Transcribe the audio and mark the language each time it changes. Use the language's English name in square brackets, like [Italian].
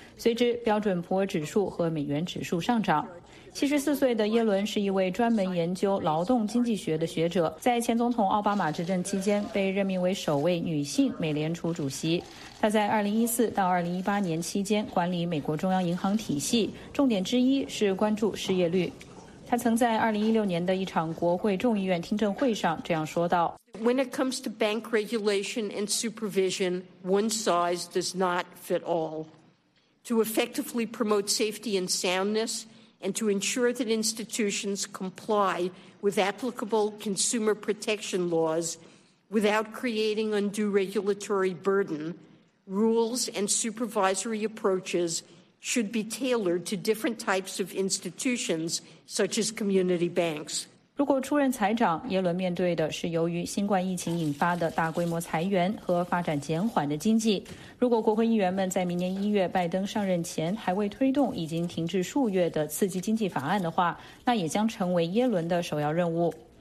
[Chinese] 随之，标准普尔指数和美元指数上涨。74岁的耶伦是一位专门研究劳动经济学的学者，在前总统奥巴马执政期间被任命为首位女性美联储主席。她在2014到2018年期间管理美国中央银行体系，重点之一是关注失业率。她曾在2016年的一场国会众议院听证会上这样说道 [English] ：“When it comes to bank regulation and supervision, one size does not fit all. To effectively promote safety and soundness.” And to ensure that institutions comply with applicable consumer protection laws without creating undue regulatory burden, rules and supervisory approaches should be tailored to different types of institutions, such as community banks. [Chinese] 如果出任财长，耶伦面对的是由于新冠疫情引发的大规模裁员和发展减缓的经济。如果国会议员们在明年一月拜登上任前还未推动已经停滞数月的刺激经济法案的话，那也将成为耶伦的首要任务。